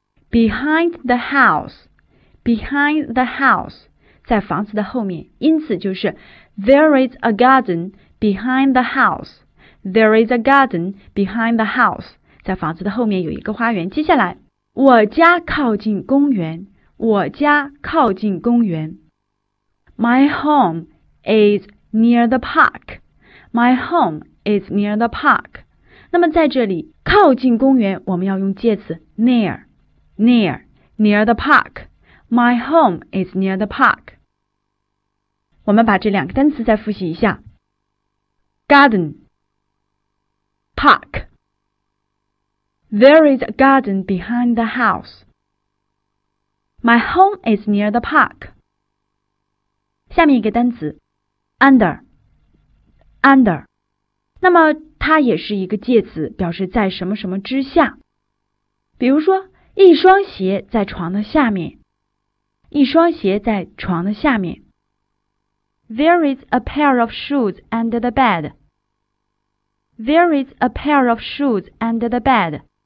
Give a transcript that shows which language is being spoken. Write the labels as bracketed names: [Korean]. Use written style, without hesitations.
[English] Behind the house, behind the house, [Chinese] 在房子的后面，因此就是 [English] There is a garden behind the house, there is a garden behind the house, [Chinese] 在房子的后面有一个花园。接下来，我家靠近公园，我家靠近公园。 [English] My home is near the park, my home is near the park. [Chinese] 那么在这里，靠近公园，我们要用介词 near. [English] Near, near the park. My home is near the park. [Chinese] 我们把这两个单词再复习一下。 [English] Garden, park. There is a garden behind the house. My home is near the park. [Chinese] 下面一个单词 [English] under, under. [Chinese] 那么它也是一个介词，表示在什么什么之下。比如说一双鞋在床的下面，一双鞋在床的下面。 [English] There is a pair of shoes under the bed. There is a pair of shoes under the bed.